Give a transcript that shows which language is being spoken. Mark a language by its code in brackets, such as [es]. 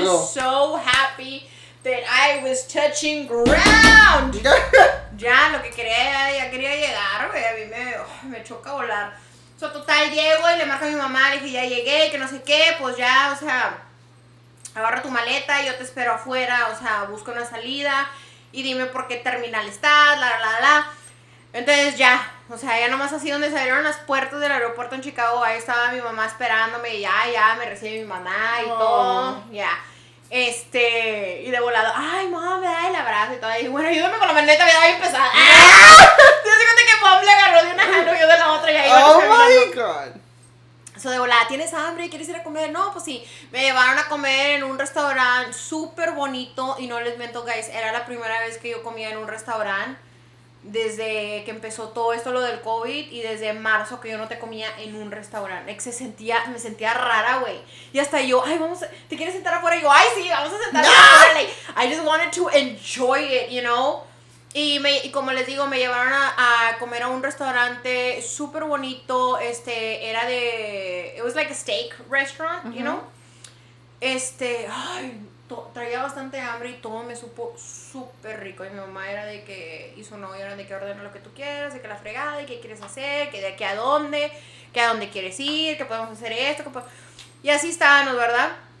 [en] I was just so happy that I was touching ground. [es] Ya, lo que quería, ya quería llegar, güey. A mí me choca volar. So, total, llego y le marco a mi mamá, le dije, ya llegué, que no sé qué, pues ya, o sea, agarra tu maleta, yo te espero afuera, o sea, busco una salida y dime por qué terminal estás, la, la, la. Entonces, ya, o sea, ya nomás así donde se abrieron las puertas del aeropuerto en Chicago, ahí estaba mi mamá esperándome y ya, ya, me recibe mi mamá y oh, todo, ya. Este, y de volado, ay, mamá, me da el abrazo y todo, y bueno, ayúdame con la maleta, me da bien pesada. ¡Ah! Mom le agarró de una mano y yo de la otra y ahí. [en] Oh my God. [es] So de volada, ¿tienes hambre? ¿Quieres ir a comer? No, pues sí. Me llevaron a comer en un restaurante súper bonito. Y no les miento, guys, era la primera vez que yo comía en un restaurante desde que empezó todo esto lo del COVID. Y desde marzo que yo no te comía en un restaurante. Me sentía rara, güey. Y hasta yo, ay, vamos, ¿te quieres sentar afuera? Y yo, ay, sí, vamos a sentar. No. [en] I just wanted to enjoy it, you know? [es] Y como les digo, me llevaron a comer a un restaurante súper bonito, este, era de, [en] it was like a steak restaurant, [es] uh-huh. You know, este, ay, traía bastante hambre y todo me supo súper rico, y mi mamá era de que, y su novia era de que ordena lo que tú quieras, de que la fregada, y qué quieres hacer, que de aquí a dónde, que a dónde quieres ir, que podemos hacer esto, que y así estábamos, ¿verdad?